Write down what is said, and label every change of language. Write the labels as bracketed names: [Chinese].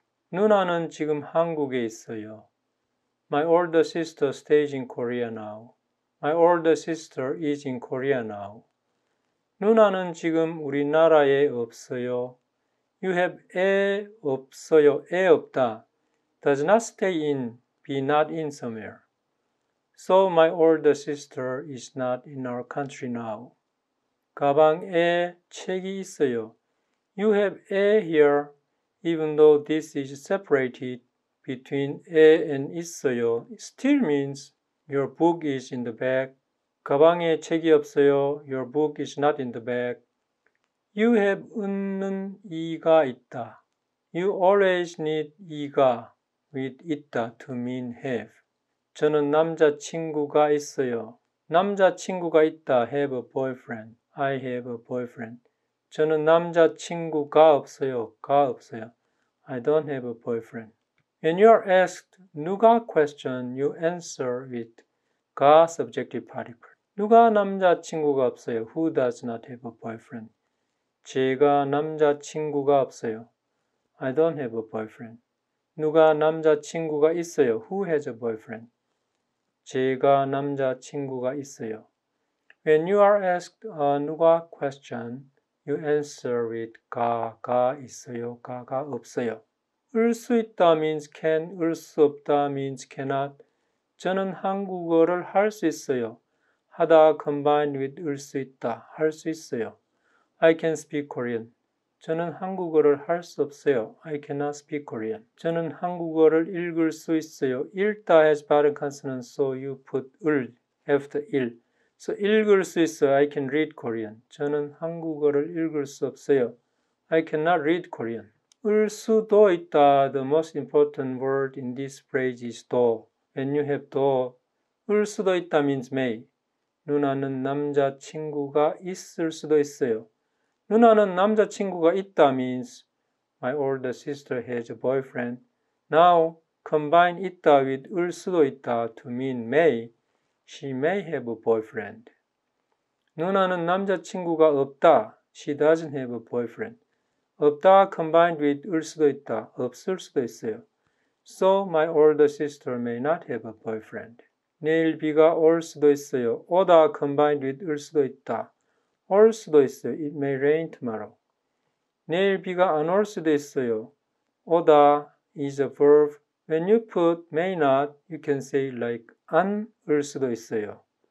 [Korean] 누나는 지금 한국에 있어요. [English] My older sister stays in Korea now. My older sister is in Korea now. [Korean] 누나는 지금 우리나라에 없어요. [English] You have [Korean] 에 없어요. 에 없다. [English] Does not stay in, be not in somewhere. So my older sister is not in our country now. [Korean] 가방에 책이 있어요. [English] You have 에 here, even though this is separated between 에 and 있어요. Still means your book is in the bag. [Korean] 가방에 책이 없어요. [English] Your book is not in the bag. You have 웃는 이가 있다. You always need 이가 with 있다 to mean have. [Korean] 저는 남자친구가 있어요. 남자친구가 있다. [English] Have a boyfriend. I have a boyfriend. [Korean] 저는 남자친구가 없어요. 가 없어요. [English] I don't have a boyfriend. When you are asked 누가 question, you answer with 가 subjective particle. [Korean] 누가 남자친구가 없어요? [English] Who does not have a boyfriend? [Korean] 제가 남자친구가 없어요. [English] I don't have a boyfriend. [Korean] 누가 남자친구가 있어요? [English] Who has a boyfriend? [Korean] 제가 남자친구가 있어요. [English] When you are asked a 누가 question, you answer with 가 있어요? [Korean] 가 없어요? 을 수 있다 [English] means can, [Korean] 을 수 없다 [English] means cannot. [Korean] 저는 한국어를 할 수 있어요. 하다 [English] combined with [Korean] 을 수 있다, 할 수 있어요. [English] I can speak Korean. [Korean] 저는 한국어를 할 수 없어요. [English] I cannot speak Korean. [Korean] 저는 한국어를 읽을 수 있어요. [English] 읽다 has bottom consonant, so you put 을 after 일. So 읽을 수 있어요. I can read Korean. [Korean] 저는 한국어를 읽을 수 없어요. [English] I cannot read Korean. [Korean] 을 수도 있다. [English] The most important word in this phrase is 도. When you have 도, [Korean] 을 수도 있다 [English] means may. [Korean] 누나는 남자친구가 있을 수도 있어요. 누나는 남자친구가 있다 [English] means my older sister has a boyfriend. Now, combine 있다 with [Korean] 을 수도 있다 [English] to mean may. She may have a boyfriend. [Korean] 누나는 남자친구가 없다. [English] She doesn't have a boyfriend. 없다 combined with [Korean] 을 수도 있다. 없을 수도 있어요. [English] So, my older sister may not have a boyfriend. [Korean] 내일 비가 올 수도 있어요. 오다 [English] combined with [Korean] 을 수도 있다. 올 수도 있어요. [English] It may rain tomorrow. [Korean] 내일 비가 안 올 수도 있어요. [English] 오다 is a verb. When you put may not, you can say like 안 을 수도 있어요.